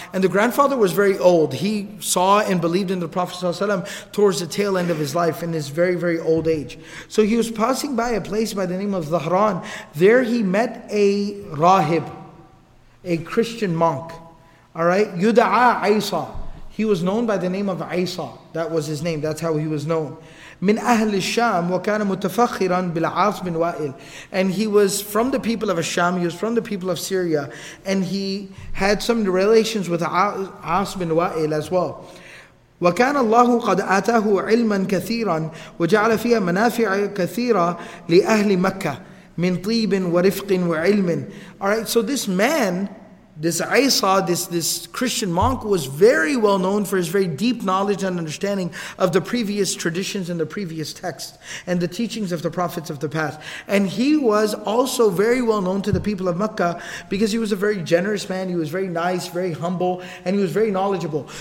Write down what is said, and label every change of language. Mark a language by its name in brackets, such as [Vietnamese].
[English] And the grandfather was very old. He saw and believed in the Prophet ﷺ towards the tail end of his life, in his very, very old age. So he was passing by a place by the name of Zahran. There he met a rahib, a Christian monk. Alright? Yuda'a Aysa. He was known by the name of Aysa. That was his name. That's how he was known. [Arabic] من أهل الشام وكان متفخرا بالعاص بن وائل. [English] And he was from the people of Asham, he was from the people of Syria, and he had some relations with عاص بن وائل as well. [Arabic] وكان الله قد آتاه علما كثيرا وجعل فيها منافع كثيرة لأهل مكة من طيب ورفق وعلم. [English] Alright, so this man, this Isa, this Christian monk, was very well known for his very deep knowledge and understanding of the previous traditions and the previous texts and the teachings of the prophets of the past. And he was also very well known to the people of Mecca because he was a very generous man, he was very nice, very humble, and he was very knowledgeable.